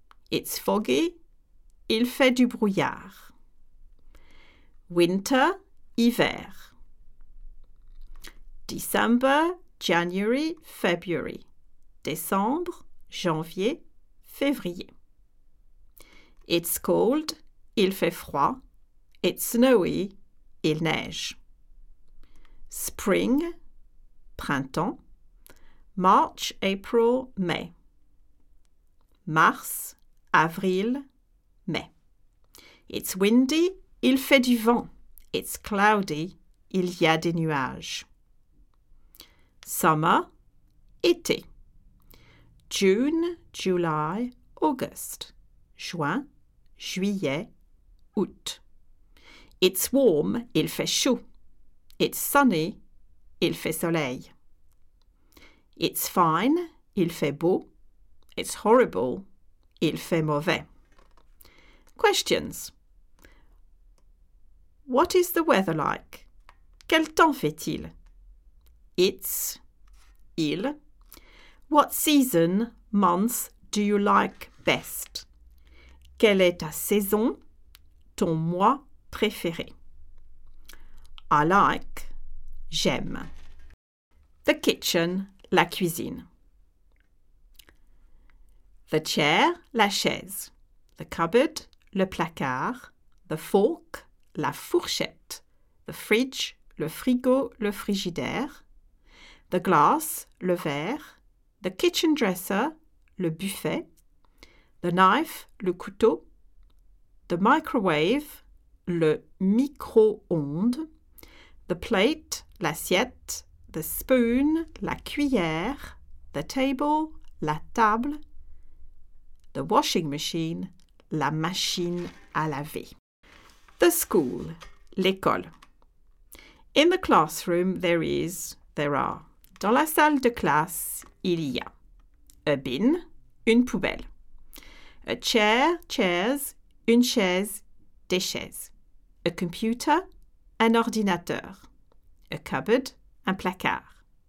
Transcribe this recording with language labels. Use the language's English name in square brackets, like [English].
[English] It's foggy, [French] il fait du brouillard. [English] Winter, hiver. December, January, February. [French] Décembre, janvier, février. [English] It's cold, [French] il fait froid. [English] It's snowy, [French] il neige. Spring, printemps. [English] March, April, May. [French] Mars, avril, mai. [English] It's windy, [French] il fait du vent. [English] It's cloudy, [French] il y a des nuages. Summer, été. [English] June, July, August. [French] Juin, juillet, août. [English] It's warm, [French] il fait chaud. [English] It's sunny, [French] il fait soleil. [English] It's fine, [French] il fait beau. [English] It's horrible, [French] il fait mauvais. [English] Questions. What is the weather like? [French] Quel temps fait-il? [English] It's, il. What season, month, do you like best? [French] Quelle est ta saison, ton mois préféré? [English] I like, j'aime. The kitchen, [French] la cuisine. [English] The chair, [French] la chaise. [English] The cupboard, [French] le placard. [English] The fork, [French] la fourchette. [English] The fridge, [French] le frigo, le frigidaire. [English] The glass, [French] le verre. [English] The kitchen dresser, [French] le buffet. [English] The knife, [French] le couteau. [English] The microwave, [French] le micro-ondes. [English] The plate, l'assiette. The spoon, [French] la cuillère. [English] The table, [French] la table. [English] The washing machine, [French] la machine à laver. [English] The school, l'école. In the classroom, there are. [French] Dans la salle de classe, il y a. [English] A bin, [French] une poubelle. [English] A chair, chairs, [French] une chaise, des chaises. [English] A computer, [French] un ordinateur. [English] A cupboard, [French] un placard.